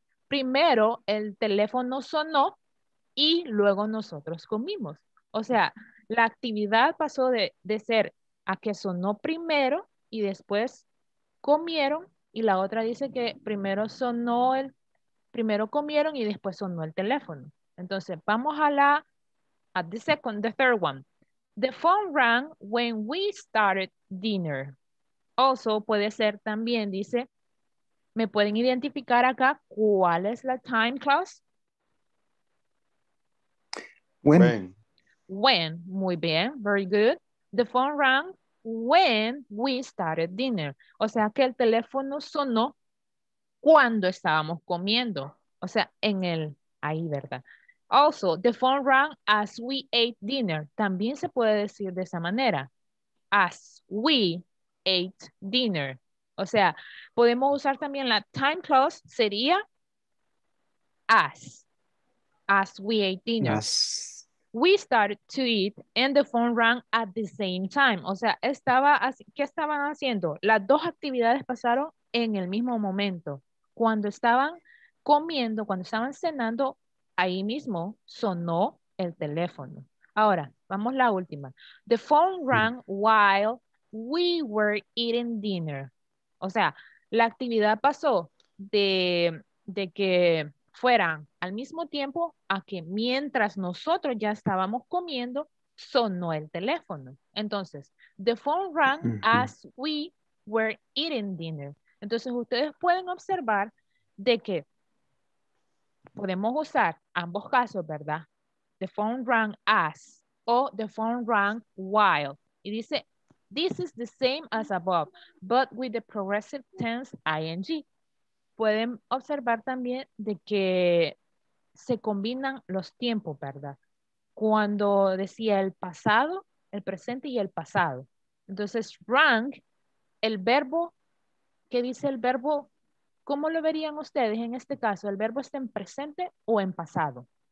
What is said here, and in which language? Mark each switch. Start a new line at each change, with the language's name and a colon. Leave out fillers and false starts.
Spanish: Primero el teléfono sonó y luego nosotros comimos. O sea, la actividad pasó de ser a que sonó primero y después comieron. Y la otra dice que primero sonó el, primero comieron y después sonó el teléfono. Entonces, vamos a la,
English: at the second, the third one. The phone rang when we started dinner.
Spanish: Also, puede ser también, dice, ¿me pueden identificar acá cuál es la time clause?
English: When,
Spanish: muy bien,
English: very good. The phone rang when we started dinner.
Spanish: O sea, que el teléfono sonó cuando estábamos comiendo. O sea, en el, ahí, ¿verdad?
English: Also, the phone rang as we ate dinner.
Spanish: También se puede decir de esa manera.
English: As we ate dinner.
Spanish: O sea, podemos usar también la time clause, sería
English: as we ate dinner. Yes. We started to eat and the phone rang at the same time.
Spanish: O sea, estaba así, ¿qué estaban haciendo? Las dos actividades pasaron en el mismo momento. Cuando estaban comiendo, cuando estaban cenando, ahí mismo sonó el teléfono. Ahora, vamos a la última.
English: The phone rang while we were eating dinner.
Spanish: O sea, la actividad pasó de que fueran al mismo tiempo a que mientras nosotros ya estábamos comiendo, sonó el teléfono. Entonces,
English: the phone rang as we were eating dinner.
Spanish: Entonces, ustedes pueden observar de que podemos usar ambos casos, ¿verdad?
English: The phone rang as o the phone rang while.
Spanish: Y dice,
English: this is the same as above, but with the progressive tense ing.
Spanish: Pueden observar también de que se combinan los tiempos, ¿verdad? Cuando decía el pasado, el presente y el pasado. Entonces, rang, el verbo, ¿qué dice el verbo? ¿Cómo lo verían ustedes en este caso? ¿El verbo está en presente o en pasado?